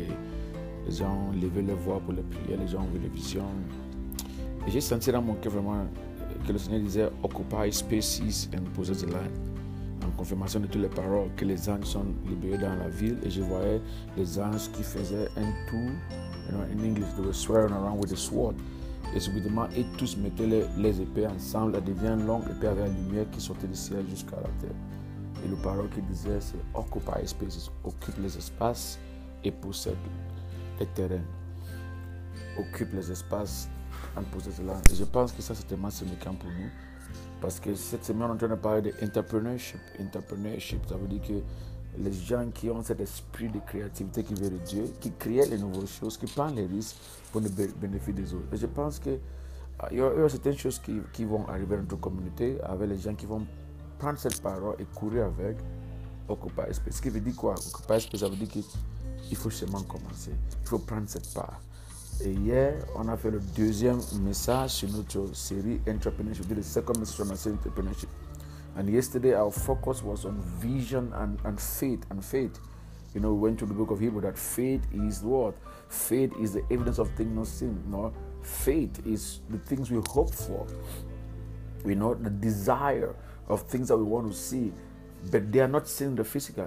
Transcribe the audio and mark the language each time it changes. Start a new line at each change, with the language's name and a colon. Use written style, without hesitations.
French: Et les gens ont levé leur voix pour les prières, les gens ont vu les visions. Et j'ai senti dans mon cœur vraiment que le Seigneur disait
English: occupy spaces and possess the land.
French: En confirmation de toutes les paroles, que les anges sont libérés dans la ville. Et je voyais les anges qui faisaient un tour.
English: In English, they were swearing around with a sword.
French: Et subitement, ils tous mettaient les épées ensemble. Elles deviennent longues épées avec la lumière qui sortait du ciel jusqu'à la terre. Et le parole qui disait, c'est
English: occupy spaces,
French: occupe les espaces et possède les terrains. Occupe les espaces en possédant cela. Et je pense que ça, c'est tellement significant pour nous. Parce que cette semaine, on est en train de parler d'entrepreneurship. Entrepreneurship, ça veut dire que les gens qui ont cet esprit de créativité qui vient de Dieu, qui créent les nouvelles choses, qui prennent les risques pour le bénéfice des autres. Et je pense qu'il y a certaines choses qui vont arriver dans notre communauté avec les gens qui vont prendre cette parole et courir avec Occupy Space. Ce qui veut dire quoi? Occupy Space, ça veut dire qu'il faut seulement commencer. Il faut prendre cette part. Et hier, on a fait le deuxième message sur notre série Entrepreneurship. C'est le second message sur notre série Entrepreneurship.
English: And yesterday, our focus was on vision and faith. And faith, we went to the book of Hebrews that faith is what? Faith is the evidence of things not seen. No, faith is the things we hope for. We know the desire of things that we want to see, but they are not seen in the physical.